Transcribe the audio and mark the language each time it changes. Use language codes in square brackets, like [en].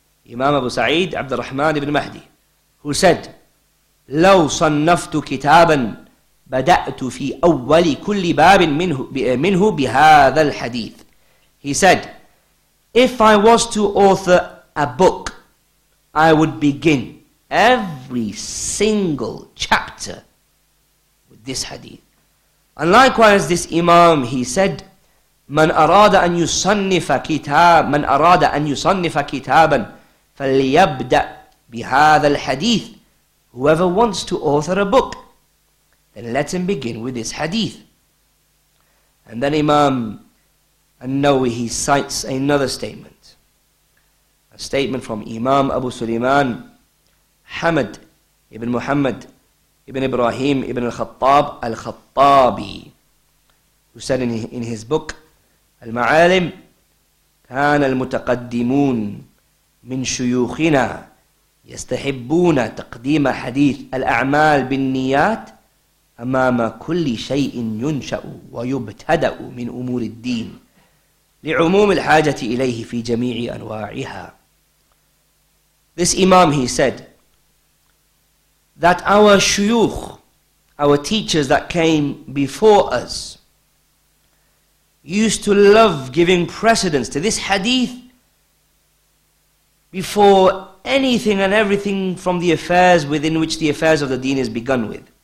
[ar] Imam Abu Sa'id Abdul Rahman ibn Mahdi, [en] who said, [ar] لو صنفت كتابا بدأت في أول كل باب منه بهذا الحديث. [en] He said, if I was to author a book, I would begin every single chapter with this hadith. And likewise, this imam, he said, [ar] من أراد أن يصنف كتابا فليبدأ بهذا الحديث [en] Whoever wants to author a book, then let him begin with this hadith. And then Imam An-Nawi, he cites another statement. A statement from Imam Abu Sulaiman, Hamad ibn Muhammad ibn Ibrahim ibn al-Khattab al-Khattabi, who said in his book, [ar] Al-Ma'alim, كان المتقدمون من شيوخنا يستحبون تقديم حديث الأعمال بالنيات أمام كل شيء ينشأ ويبتدأ من أمور الدين لعموم الحاجة إليه في جميع أنواعها. [en] This Imam, he said, that our shuyukh, our teachers that came before us, used to love giving precedence to this hadith before anything and everything from the affairs within which the affairs of the deen is begun with.